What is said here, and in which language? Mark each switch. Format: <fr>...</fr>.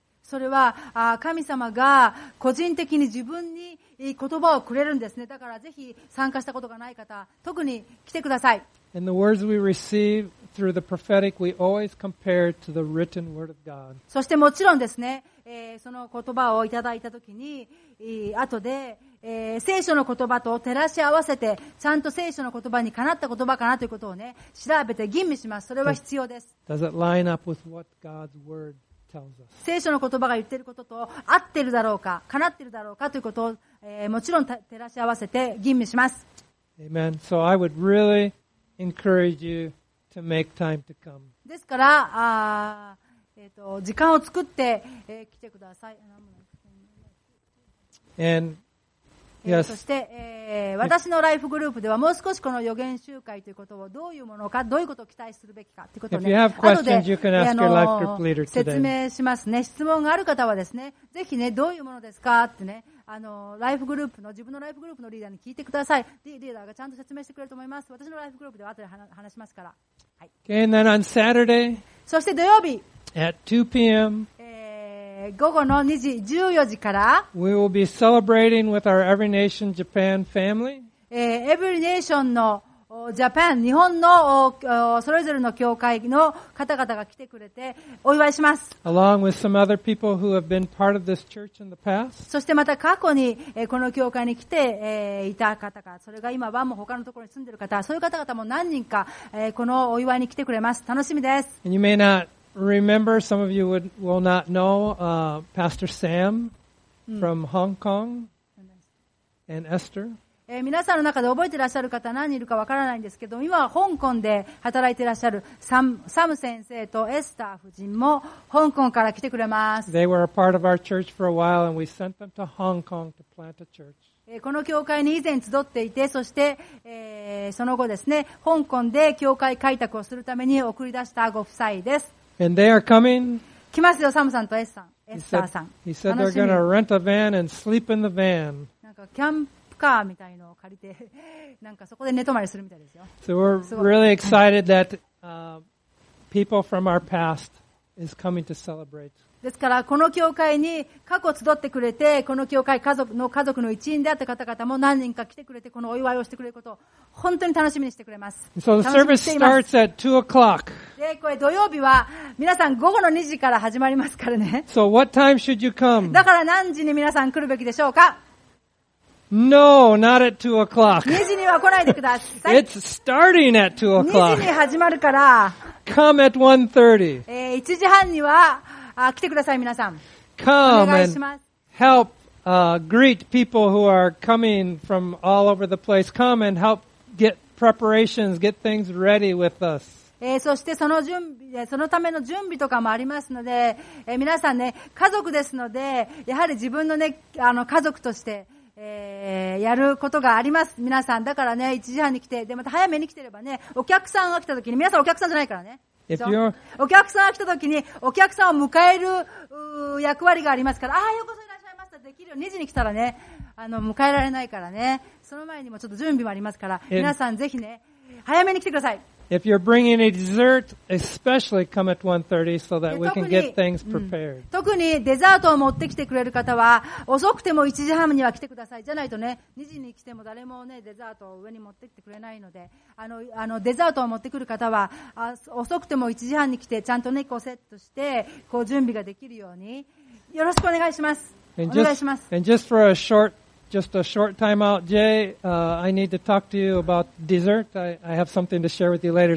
<ja>それは神様が個人的に自分に言葉をくれるんですね。だからぜひ参加したことがない方、特に来てください。</ja> <en>And the words we receive through the prophetic, we always compare to the written word of God.</en> <ja>そしてもちろんですね、その言葉をいただいたときに、後で、聖書の言葉と照らし合わせて、ちゃんと聖書の言葉にかなった言葉かなということをね、調べて吟味します。それは必要です。</ja> <en>Does it line up with what God's word tells us?</en> <ja>聖書の言葉が言っていることと合ってるだろうか、かなってるだろうかということを、もちろん照らし合わせて吟味します。</ja> <en>Amen. So I would really encourage you to make time to come.</en> <ja>ですから、時間を作って、来てください。</ja> <en>And Yes.</en> <ja>そして、私のライフグループではもう少しこの予言集会ということをどういうものか、どういうことを期待するべきかということを、ね、後で説明しますね。質問がある方はですね、ぜひね、どういうものですかってね、ライフグループの自分のライフグループのリーダーに聞いてください。リーダーがちゃんと説明してくれると思います。私のライフグループでは後で話しますから。はい。</ja> <en>Okay, and then on Saturday,</en> <ja>そして土曜日</ja> <en>at 2 p.m.</en> <ja>午後の2時14時から</ja> <en>We will be celebrating with our Every Nation Japan family.</en> <ja>Every Nation の Japan 日本のそれぞれの教会の方々が来てくれてお祝いします。</ja> <en>Along with some other people who have been part of this church in the past.</en> <ja>そしてまた過去にこの教会に来ていた方か、それが今はもう他のところに住んでいる方、そういう方々も何人かこのお祝いに来てくれます。楽しみです。</ja> <en>And you may notRemember, some of you will not know, Pastor Sam from Hong Kong and Esther.</en> <ja>皆さんの中で覚えてらっしゃる方何人いるかわからないんですけど、今は香港で働いてらっしゃるサム先生とエスター夫人も香港から来てくれます。</ja> <en>They were a part of our church for a while and we sent them to Hong Kong to plant a church.</en> <ja>この教会に以前集っていて、そして、その後ですね、香港で教会開拓をするために送り出したご夫妻です。</ja> <en>And they are coming.</en> <ja>来ますよ、サムさんとエスさん、エスターさん。</ja> <en>He said they're going to rent a van and sleep in the van.</en> <ja>なんかキャンプカーみたいのを借りて、なんかそこで寝泊まりするみたいですよ。</ja> <en>So we're really excited that, people from our past is coming to celebrate.</en> <ja>ですから、この教会に過去集ってくれて、この教会家族の一員であった方々も何人か来てくれて、このお祝いをしてくれることを本当に楽しみにしてくれます。</ja> <en>So the service starts at 2 o'clock.</en> <ja>で、これ土曜日は皆さん午後の2時から始まりますからね。</ja> <en>So what time should you come?</en> <ja>だから何時に皆さん来るべきでしょうか?</ja> <en>No, not at 2 o'clock.</en> <ja>2時には来ないでください。</ja> <en>It's starting at 2 o'clock.</en> <ja>2時に始まるから。</ja> <en>Come at 1:30.</en> <ja>1時半には、来てください皆さん。</ja> <en>Come and help, greet people who are coming from all over the place. Come and help get preparations, get things ready with us.</en> <ja>そしてその準備、そのための準備とかもありますので、皆さんね、家族ですので、やはり自分のね、家族として、やることがあります。皆さん、だからね、1時半に来て、で、また早めに来てればね、お客さんが来た時に、皆さんお客さんじゃないからね。</ja> <en>If you're,</en> <ja>お客さんが来た時にお客さんを迎える役割がありますから、ああ、ようこそいらっしゃいました。できるよ。 2時に来たらね、迎えられないからね。その前にもちょっと準備もありますから、皆さんぜひね、早めに来てください。</ja> <en>If you're bringing a dessert, especially come at 1:30 so that we can get things prepared.</en> <ja>特にデザートを持ってきてくれる方は、遅くても1時半には来てください。じゃないとね、2時に来ても誰もね、デザートを上に持ってきてくれないので、デザートを持ってくる方は、遅くても1時半に来て、ちゃんとね、こうセットして、こう準備ができるように、よろしくお願いします。お願いします。</ja> <en>And just for a short Just a short time out, Jay. I need to talk to you about dessert. I have something to share with you later.</en>